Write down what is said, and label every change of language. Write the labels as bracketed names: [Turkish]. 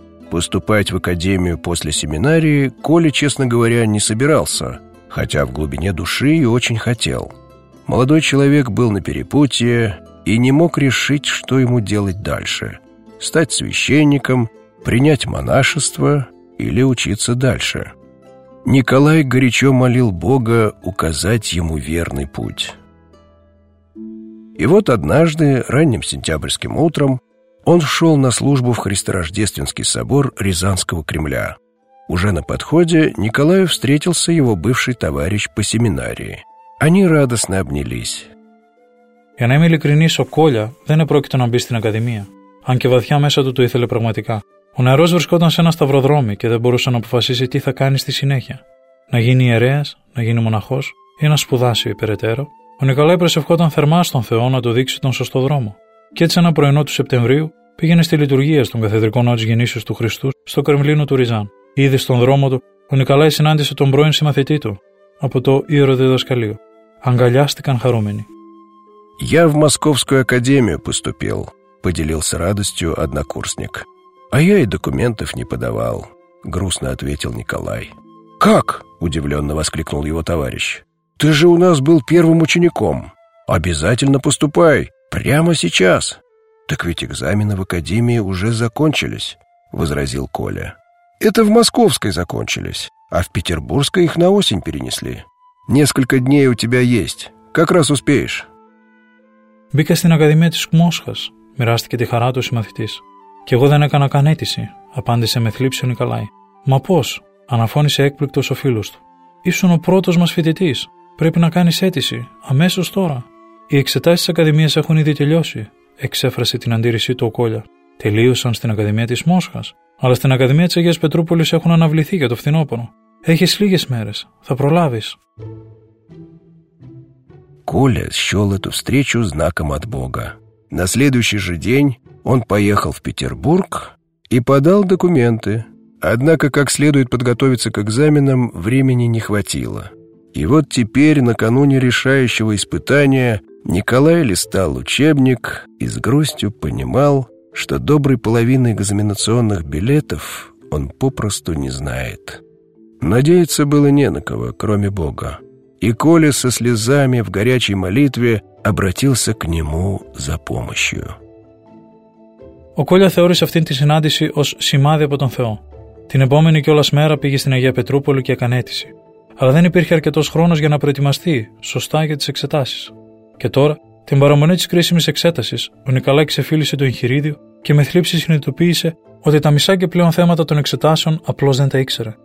[Russian] Поступать в академию после семинарии Коля, честно говоря, не собирался, хотя в глубине души и очень хотел. Молодой человек был на перепутье и не мог решить, что ему делать дальше: стать священником, принять монашество или учиться дальше. Николай горячо молил Бога указать ему верный путь. И вот однажды, ранним сентябрьским утром, он шел на службу в Христорождественский собор Рязанского Кремля. Уже на подходе Николаю встретился его бывший товарищ по семинарии. Они радостно обнялись. [Greek] Για να είμαι ειλικρινής, ο Коля δεν επρόκειτο να μπει στην Ακαδημία, αν και βαθιά μέσα του το ήθελε πραγματικά. Ο νεαρός βρισκόταν σε ένα σταυροδρόμι και δεν μπορούσε να αποφασίσει τι θα κάνει στη συνέχεια. Να γίνει ιερέας, να γίνει μοναχός ή να σπουδάσει περαιτέρω. Ο Νικολάη προσευχόταν θερμά στον Θεό να του δείξει τον σωστό δρόμο. Και έτσι ένα πρωινό του Σεπτεμβρίου πήγαινε στη λειτουργία στον Καθεδρικό Ναό της Γεννήσεως του Χριστού στο Κρεμλίνο του Ριζάν. Ήδη στον δρόμο του, ο Νικολάη συνάντησε τον πρώην συμμαθητή του από το Ιεροδιδασκαλείο. Αγκαλιάστηκαν χαρούμενοι. [Russian] «Я в Московскую Академию поступил», — поделился радостью однокурсник. «А я и документов не подавал», — грустно ответил Николай. «Как?» — удивленно воскликнул его товарищ. «Ты же у нас был первым учеником. Обязательно поступай! Прямо сейчас!» «Так ведь экзамены в академии уже закончились», — возразил Коля. «Это в Московской закончились, а в Петербургской их на осень перенесли. Несколько дней у тебя есть. Как раз успеешь». [Greek] «Бика στην Ακαδημία της Μόσχας», — μοιράστηκε τη χαρά του ο συμμαθητής. «Και εγώ δεν έκανα καν αίτηση», — απάντησε με θλίψη ο Νικολάη. «Μα πώς?» — αναφώνησε έκπληκτος ο φίλος του. «Ήσουν ο πρώτος μας φοιτητής. Πρέπει να κάνεις αίτηση αμέσως τώρα. Οι εξετάσεις της Ακαδημίας έχουν ήδη τελειώσει», εξέφρασε την αντίρρησή του ο Κόλια. «Τελείωσαν στην Ακαδημία της Μόσχας. Αλλά στην Ακαδημία της Αγίας Πετρούπολης έχουν αναβληθεί για το φθινόπωρο. Έχεις λίγες μέρες. Θα προλάβεις». [Russian] Коля счел эту встречу знаком от Бога. На следующий же день он поехал в Петербург и подал документы. Однако, как следует подготовиться к экзаменам, времени не хватило. И вот теперь, накануне решающего испытания, Николай листал учебник и с грустью понимал, что доброй половины экзаменационных билетов он попросту не знает. Надеяться было не на кого, кроме Бога. И Коля со слезами в горячей молитве обратился к нему за помощью. [Greek] Ο Коля θεώρησε αυτήν τη συνάντηση ως σημάδι από τον Θεό. Την επόμενη κιόλας μέρα πήγε στην Αγία Πετρούπολη και έκανε αίτηση. Αλλά δεν υπήρχε αρκετός χρόνος για να προετοιμαστεί σωστά για τις εξετάσεις. Και τώρα, την παραμονή της κρίσιμης εξέτασης, ο Νικολάη ξεφύλισε το εγχειρίδιο και με θλίψη συνειδητοποίησε ότι τα μισά και πλέον θέματα των εξετάσεων απλώς δεν τα ήξερε.